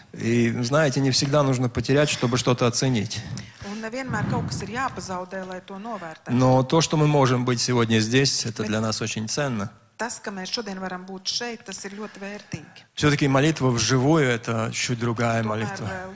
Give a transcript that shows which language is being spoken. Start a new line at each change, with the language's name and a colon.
Russian: И знаете, не всегда нужно потерять, чтобы что-то оценить.
Latvian: Un nevienmēr kaut kas ir jāpazaudē, lai to novērtētu.
Russian: Но то, что мы можем быть сегодня здесь, это для нас очень ценно.
Latvian: Tas, ka mēs šodien varam būt šeit, tas ir ļoti vērtīgi.
Russian: Все-таки молитва вживую – это чуть другая молитва.